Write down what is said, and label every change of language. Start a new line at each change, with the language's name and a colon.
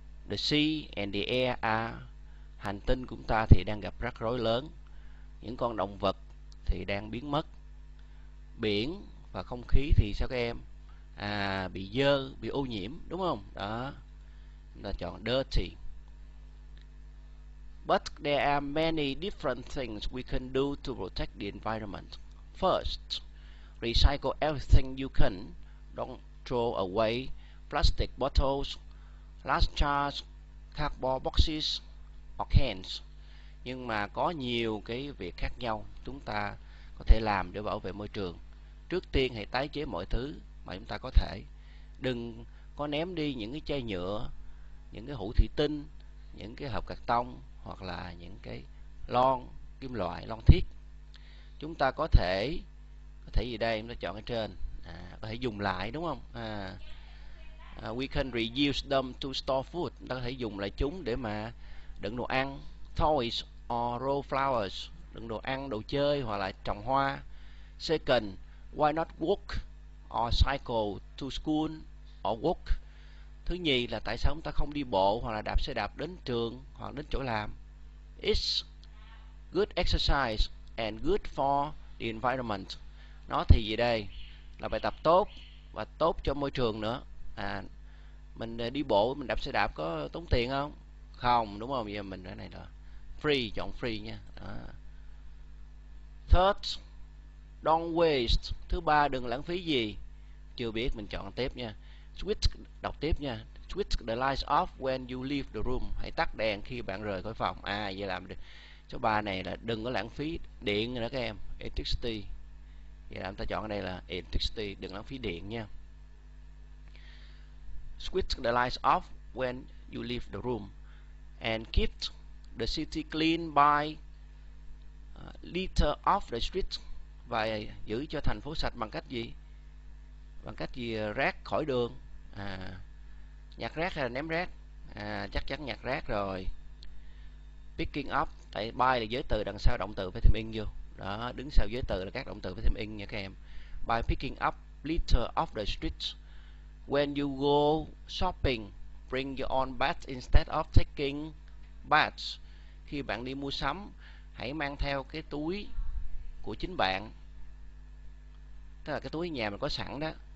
English: The sea and the air are,
Vietnamese: hành tinh của chúng ta thì đang gặp rắc rối lớn, những con động vật thì đang biến mất, biển và không khí thì sao các em? Bị dơ, bị ô nhiễm, đúng không? Đó, chúng ta chọn dirty.
English: But there are many different things we can do to protect the environment. First, recycle everything you can. Don't throw away plastic bottles, last charge, cardboard boxes, or cans.
Vietnamese: Nhưng mà có nhiều cái việc khác nhau chúng ta có thể làm để bảo vệ môi trường. Trước tiên hãy tái chế mọi thứ mà chúng ta có thể. Đừng có ném đi những cái chai nhựa, những cái hũ thủy tinh, những cái hộp cạc tông hoặc là những cái lon kim loại, lon thiết. Chúng ta có thể gì đây? Chúng ta chọn ở trên. Có thể dùng lại, đúng không?
English: We can reuse them to store food.
Vietnamese: Chúng ta có thể dùng lại chúng để mà đựng đồ ăn,
English: toys or roll flowers,
Vietnamese: đựng đồ ăn, đồ chơi hoặc là trồng hoa.
English: Second, why not walk or cycle to school or work?
Vietnamese: Thứ nhì là tại sao chúng ta không đi bộ hoặc là đạp xe đạp đến trường hoặc đến chỗ làm?
English: It's good exercise and good for the environment.
Vietnamese: Nó thì gì đây? Là bài tập tốt và tốt cho môi trường nữa. À, mình đi bộ, mình đạp xe đạp có tốn tiền không? Không, đúng không? Giờ mình cái này là free, chọn free nha. Đó.
English: Third, don't waste.
Vietnamese: Thứ ba, đừng lãng phí gì. Chưa biết, mình chọn tiếp nha. Switch, đọc tiếp nha.
English: Switch the lights off when you leave the room.
Vietnamese: Hãy tắt đèn khi bạn rời khỏi phòng. À, vậy làm được. Số 3 này là đừng có lãng phí điện nữa các em. Electricity. Vậy là chúng ta chọn ở đây là electricity, đừng lãng phí điện nha.
English: Switch the lights off when you leave the room and keep the city clean by litter off the street.
Vietnamese: Và giữ cho thành phố sạch bằng cách gì? Bằng cách gì? Rác khỏi đường. À, nhặt rác hay là ném rác? À, chắc chắn nhặt rác rồi.
English: Picking up,
Vietnamese: tại by là giới từ, đằng sau động từ phải thêm in vô. Đó, đứng sau giới từ là các động từ phải thêm in nha các em.
English: By picking up litter off the street. When you go shopping, bring your own bags instead of taking bags.
Vietnamese: Khi bạn đi mua sắm, hãy mang theo cái túi của chính bạn. Tức là cái túi nhà mình có sẵn đó.